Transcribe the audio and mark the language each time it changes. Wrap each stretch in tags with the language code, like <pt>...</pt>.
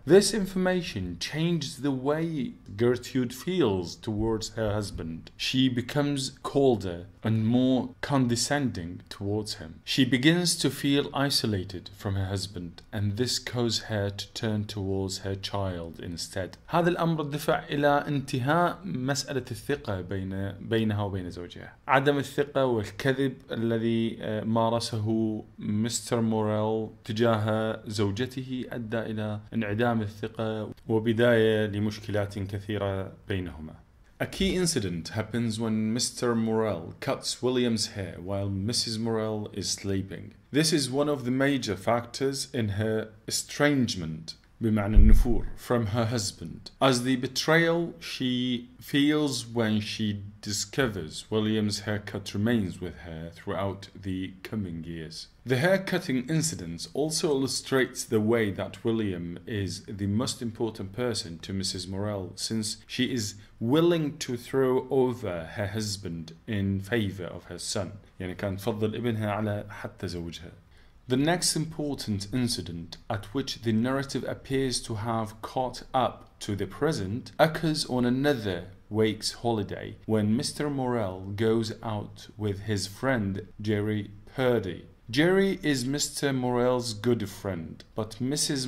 <en>This information changes the way Gertrude feels towards her husband. She becomes colder and more condescending towards him. She begins to feel isolated from her husband, and this causes her to turn towards her child instead.</en> <ar>هذا الأمر دفع إلى انتهاء مسألة الثقة بينها وبين زوجها. عدم الثقة والكذب الذي مارسه مستر موريل تجاه زوجته أدى إلى انعدام الثقة وبداية لمشكلات كثيرة بينهما.</ar> <en>A key incident happens when Mr. Morell cuts William's hair while Mrs. Morell is sleeping. This is one of the major factors in her estrangement,</en> <ar>بمعنى النفور,</ar> <en>from her husband, as the betrayal she feels when she discovers William's haircut remains with her throughout the coming years. The haircutting incident also illustrates the way that William is the most important person to Mrs. Morell, since she is willing to throw over her husband in favor of her son.</en> <ar>يعني كان تفضل ابنها على حتى زوجها.</ar> <en>The next important incident at which the narrative appears to have caught up to the present occurs on another Wakes holiday when Mr. Morell goes out with his friend Jerry Purdy. Jerry is Mr. Morell's good friend, but Mrs.</en>